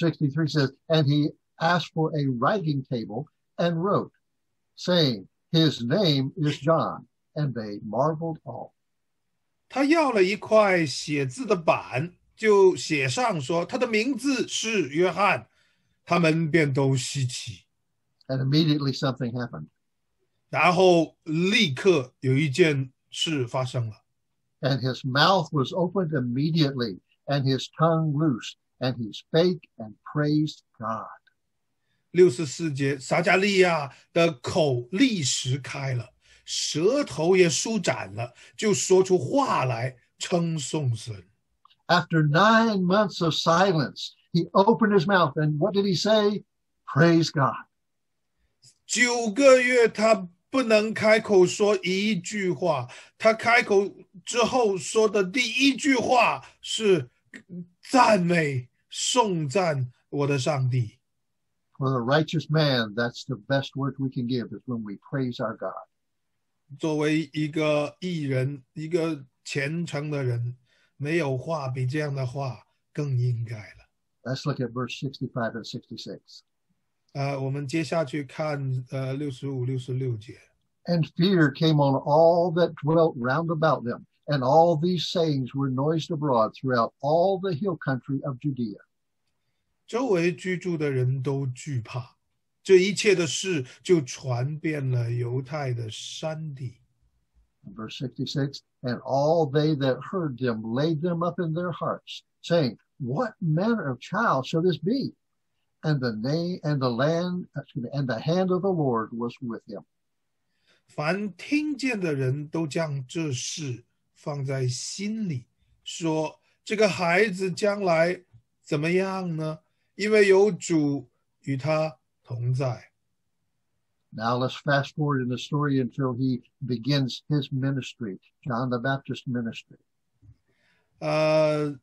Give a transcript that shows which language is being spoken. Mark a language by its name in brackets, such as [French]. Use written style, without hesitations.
[English] 63 says, And he asked for a writing table and wrote, saying, His name is John, and they marveled all. [Chinese] 他要了一块写字的板，就写上说他的名字是约翰，他们便都稀奇。 [English] And immediately something happened. [Chinese] 然后立刻有一件事发生了。 [English] And his mouth was opened immediately, and his tongue loosed, and he spake and praised God. [Chinese] 64节，撒迦利亚的口立时开了，舌头也舒展了，就说出话来，称颂神。 [English] After 9 months of silence, he opened his mouth, and what did he say? Praise God. [Chinese] 9个月他不能开口说一句话，他开口之后说的第一句话是赞美、颂赞我的上帝。 [English] For a righteous man, that's the best word we can give is when we praise our God. [Chinese] 作为一个义人，一个虔诚的人，没有话比这样的话更应该了。 [English] Let's look at verse 65 and 66. [Chinese] 我们接下去看65-66节。 [English] And fear came on all that dwelt round about them, and all these sayings were noised abroad throughout all the hill country of Judea. [Chinese] 周围居住的人都惧怕，这一切的事就传遍了犹太的山地。 [English] Verse 66, and all they that heard them laid them up in their hearts, saying, What manner of child shall this be? And the hand of the Lord was with him. [Chinese] 凡听见的人都将这事放在心里，说这个孩子将来怎么样呢？因为有主与他同在。 [English] Now let's fast forward in the story until he begins his ministry, John the Baptist's ministry.